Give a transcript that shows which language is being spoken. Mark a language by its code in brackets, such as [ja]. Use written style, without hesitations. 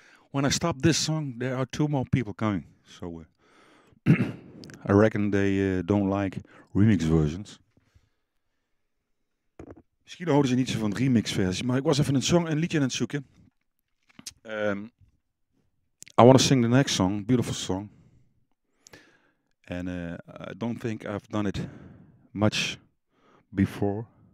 [en] When I stop this song, there are two more people coming. So I reckon they don't like remix versions. [nl] Misschien houden ze niet zo van remix versies, maar ik was even een liedje aan het zoeken. [en] I want to sing the next song, beautiful song. And I don't think I've done it much before.